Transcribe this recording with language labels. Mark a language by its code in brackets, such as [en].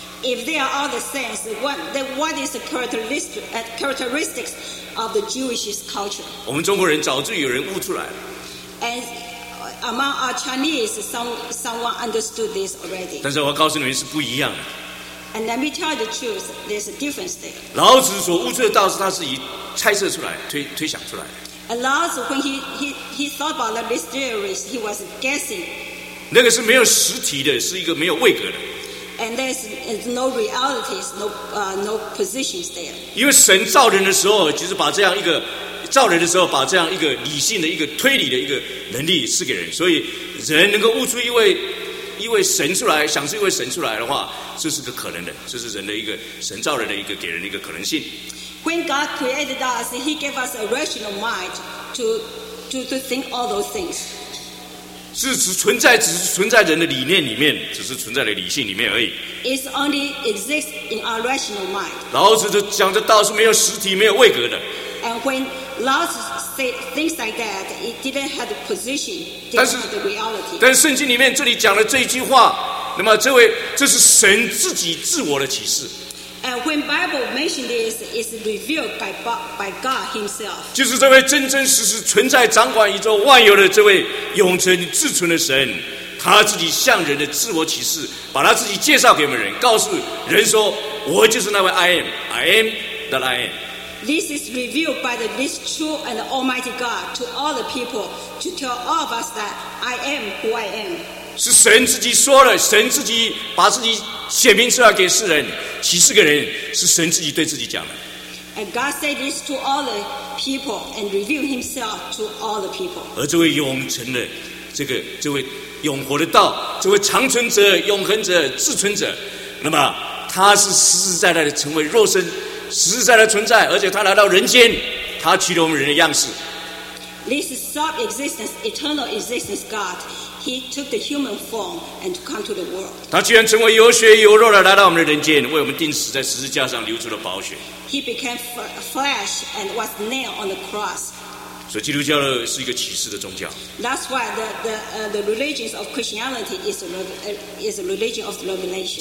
[en] If they are all the same, what is the characteristics of the Jewish culture? [zh] 我们中国人早就有人悟出来了。 [en] And among our Chinese, someone understood this already. [zh] 但是我告诉你们是不一样的。 [en] And let me tell the truth, there's a difference there. [zh] 老子所悟出的道是他自己猜测出来、推想出来的。 [en] And Laozi, when he thought about these theories, he was guessing. [zh] 那个是没有实体的，是一个没有位格的。 [en] And there's no realities, no positions there. [zh] 因为神造人的时候，就是把这样一个造人的时候，把这样一个理性的一个推理的一个能力赐给人，所以人能够悟出一位神出来，想出一位神出来的话，这是个可能的，这是人的一个神造人的一个给人的一个可能性。 [en] When God created us, He gave us a rational mind to think all those things. [zh] 是只存在人的理念里面，只是存在的理性里面而已。 [en] It only exists in our rational mind. [zh] 老子讲的道是没有实体、没有位格的。 [en] And when Laozi said things like that, it didn't have the position, didn't have the reality. [zh] 但是圣经里面这里讲的这一句话，那么这是神自己自我的启示。 [en] And when Bible mentioned this, it's revealed by God Himself. [zh] 就是这位真真实实存在、掌管宇宙万有的这位永存至存的神，他自己向人的自我启示，把他自己介绍给我们人，告诉人说：“我就是那位 [en] I am that I am.” This is revealed by this true and almighty God to all the people to tell all of us that I am who I am. [zh] 是神自己说了，神自己把自己显明出来给世人，启示给人，是神自己对自己讲的。 [en] And God said this to all the people and revealed Himself to all the people. [zh] 而这位永存的，这位永活的道，这位长存者、永恒者、至存者，那么他是实实在在的成为肉身。实在的存在，而且他来到人间，他取了我们人的样式。 [en] This self-existence, eternal existence, God, He took the human form and come to the world. [zh] 他居然成为有血有肉的来到我们的人间，为我们钉死在十字架上，流出了宝血。 [en] He became flesh and was nailed on the cross. [zh] 所以基督教是一个启示的宗教。 [en] That's why the religion of Christianity is a religion of revelation.